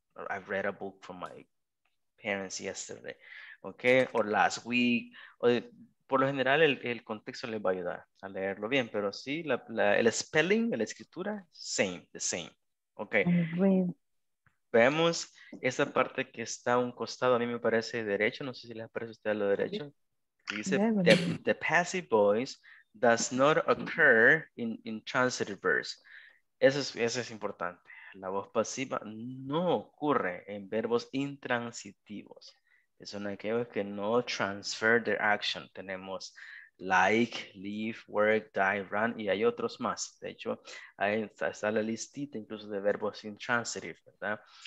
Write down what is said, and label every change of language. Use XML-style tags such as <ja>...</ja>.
<en>I read a book from my parents yesterday. Okay,</en> <es>o last week. Por lo general, el contexto les va a ayudar a leerlo bien, pero sí, el spelling, la escritura,</es> <en>the same. Ok.</en> <es>Vemos esa parte que está a un costado, a mí me parece derecho, no sé si les parece a ustedes lo derecho. Dice,</es> <en>the passive voice does not occur in transitive verbs.</en> <es>Eso es importante. La voz pasiva no ocurre en verbos intransitivos. Son aquellos que no</es> <en>transfer their action.</en> <es>Tenemos like, leave, work, die, run, y hay otros más. De hecho, ahí está la listita incluso de verbos intransitive, ¿verdad?</es>